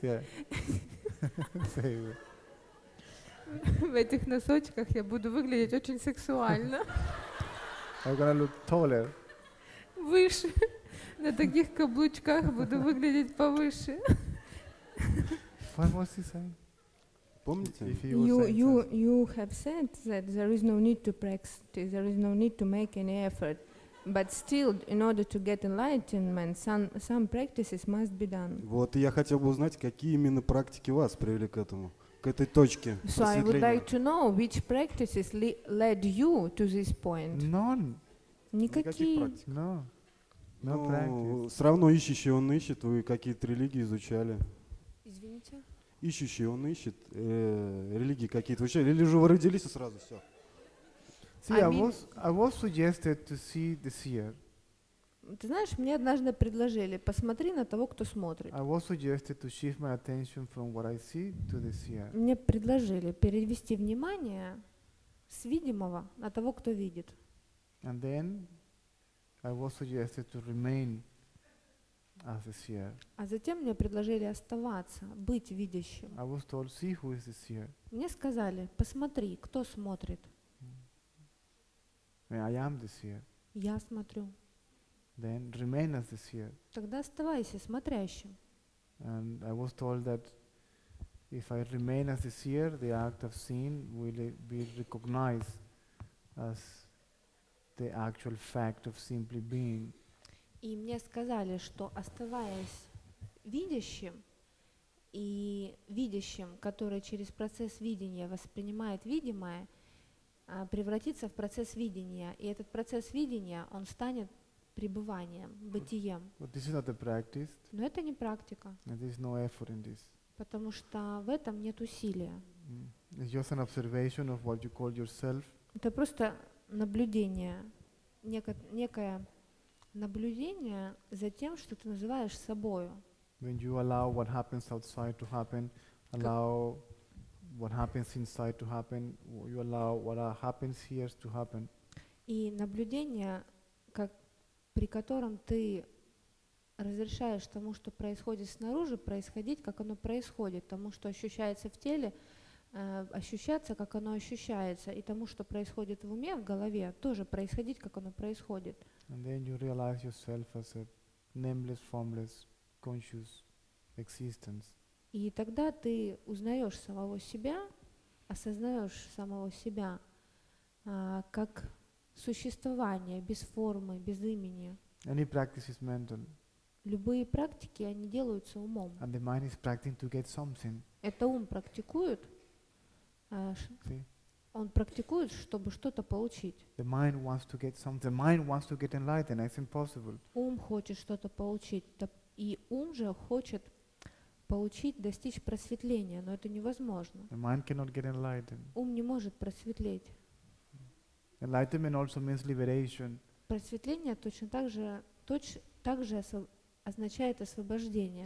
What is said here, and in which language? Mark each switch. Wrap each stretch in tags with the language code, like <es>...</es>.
<ru>Yeah. В этих носочках я буду выглядеть очень сексуально.</ru> <en>I'm gonna look taller.</en> <ru>Выше. На таких каблучках буду выглядеть повыше.</ru> <en>What was he saying?</en> <ru>Помните?</ru> <en>You have said that there is no need to practice, there is no need to make any effort, but still, in order to get enlightenment, some practices must be done.</en> <ru>Вот, и я хотел бы узнать, какие именно практики вас привели к этому, к этой точке просветления.</ru> <en>So I would like to know which practices led you to this point. None.</en> <ru>Никакие. Никаких практик. No. Ну, все равно ищущий он ищет, вы какие-то религии изучали. Извините? Ищущий, он ищет религии какие-то. Или же вы родились и сразу все.</ru> <en>See, I was suggested to see the seer.</en> <ru>Ты знаешь, мне однажды предложили, посмотри на того, кто смотрит.</ru> <en>I was suggested to shift my attention from what I see to the seer.</en> <ru>Мне предложили перевести внимание с видимого на того, кто видит.</ru> <en>And then I was suggested to remain.</en> <ru>А затем мне предложили оставаться, быть видящим.</ru> <en>I was told, see who is this here.</en> <ru>Мне сказали, посмотри, кто смотрит.</ru> <en>Mm. I am this here.</en> <ru>Я смотрю.</ru> <en>Then remain as this here.</en> <ru>Тогда оставайся смотрящим.</ru> <en>And I was told that if I remain as this here, the act of seeing will be recognized as the actual fact of simply being.</en> <ru>И мне сказали, что оставаясь видящим и видящим, который через процесс видения воспринимает видимое, превратится в процесс видения. И этот процесс видения, он станет пребыванием, бытием.</ru> <en>But this is not a practice.</en> <ru>Но это не практика.</ru> <en>And there is no effort in this.</en> <ru>Потому что в этом нет усилия.</ru> <en>It's just an observation of what you call yourself.</en> <ru>Это просто наблюдение, некое наблюдение за тем, что ты называешь собою.</ru> <en>When you allow what happens outside to happen, allow what happens inside to happen, you allow what happens here to happen.</en> <ru>И наблюдение, как при котором ты разрешаешь тому, что происходит снаружи, происходить, как оно происходит, тому, что ощущается в теле, ощущаться, как оно ощущается, и тому, что происходит в уме, в голове, тоже происходить, как оно происходит.</ru> <en>And then you realize yourself as a nameless, formless, conscious existence.</en> <ru>И тогда ты узнаешь самого себя, осознаешь самого себя как существование без формы, без имени.</ru> <en>Any practice is mental.</en> <ru>Любые практики, они делаются умом.</ru> <en>And the mind is practicing to get something.</en> <ru>Это ум практикует.</ru> <en>See?</en> <ru>Он практикует, чтобы что-то получить.</ru> <en>The mind wants to get something. The mind wants to get enlightened. It's impossible.</en> <ru>Ум хочет что-то получить, и ум же хочет получить, достичь просветления, но это невозможно.</ru> <en>The mind cannot get enlightened.</en> <ru>Ум не может просветлеть.</ru> <en>Enlightenment also means liberation.</en> <ru>Просветление точно так же, означает освобождение.</ru>